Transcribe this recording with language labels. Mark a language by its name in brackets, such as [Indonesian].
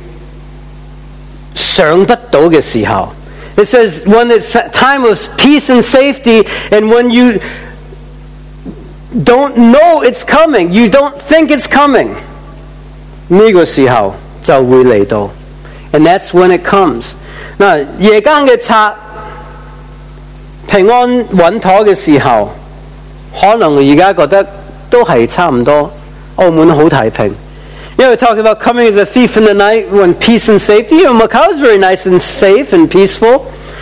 [Chinese] 平安稳妥的时候,是你想不到的时候. [English] It says, when it's time of peace and safety, and when you don't know it's coming, you don't think it's coming, [Chinese] 这个时候就会来到. [English] And that's when it comes. [Chinese] 夜间的贼平安稳妥的时候, 可能现在觉得都是差不多, 澳门很太平. [English] You know, talking about coming as a thief in the night when peace and safety, you know, Macau is very nice and safe and peaceful.